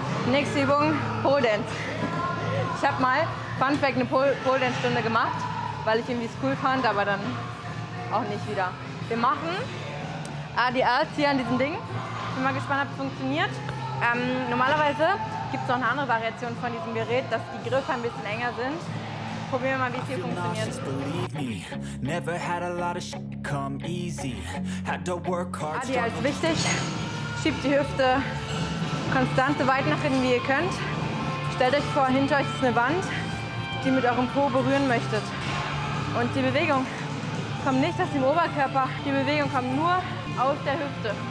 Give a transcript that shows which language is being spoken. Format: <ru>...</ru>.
<de>Nächste Übung, Pole Dance. Ich habe mal, Fun Fact, eine Pole Dance Stunde gemacht, weil ich irgendwie es cool fand, aber dann auch nicht wieder. Wir machen ADLs hier an diesem Ding. Bin mal gespannt, ob es funktioniert. Normalerweise gibt es noch eine andere Variation von diesem Gerät, dass die Griffe ein bisschen enger sind. Probieren wir mal, wie es hier funktioniert.</de> <en>Never had a lot of shit come easy. Had to work hard,</en> <de>ADL ist wichtig. Schiebt die Hüfte konstant so weit nach hinten, wie ihr könnt. Stellt euch vor, hinter euch ist eine Wand, die ihr mit eurem Po berühren möchtet. Und die Bewegung kommt nicht aus dem Oberkörper, die Bewegung kommt nur aus der Hüfte.</de>